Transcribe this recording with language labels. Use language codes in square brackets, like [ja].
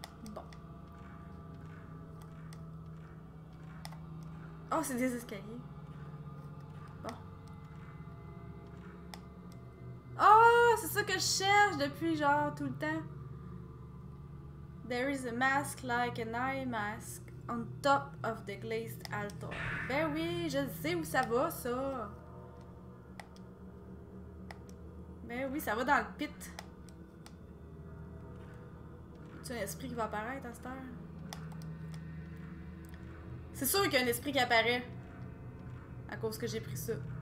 [fr] Bon. Oh, c'est des escaliers. Bon. Oh, c'est ça que je cherche depuis genre tout le temps. [en] There is a mask like an eye mask on top of the glazed altar. [fr] Ben oui, je sais où ça va, ça. Ben oui, ça va dans le pit. C'est un esprit qui va apparaître à cette heure. C'est sûr qu'il y a un esprit qui apparaît. À cause que j'ai pris ça.